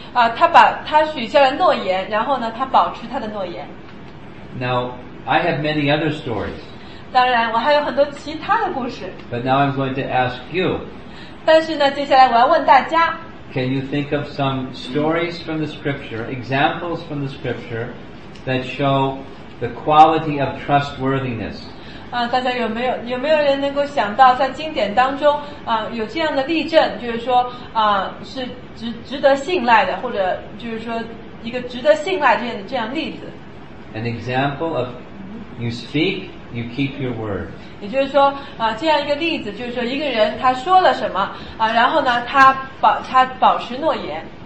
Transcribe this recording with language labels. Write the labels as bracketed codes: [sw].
[zh] 啊，他把他许下了诺言，然后呢，他保持他的诺言。 [en] Now, I have many other stories. [zh] 当然，我还有很多其他的故事。 [en] But now I'm going to ask you. [zh] 但是呢，接下来我要问大家。 [en] Can you think of some stories from the scripture, examples from the scripture, that show the quality of trustworthiness? [zh] 啊，大家有没有人能够想到在经典当中啊有这样的例证，就是说啊是值得信赖的，或者就是说一个值得信赖这样例子 [en] ？An example of you speak, you keep your word. [zh] 也就是说啊这样一个例子，就是说一个人他说了什么啊，然后呢他保持诺言。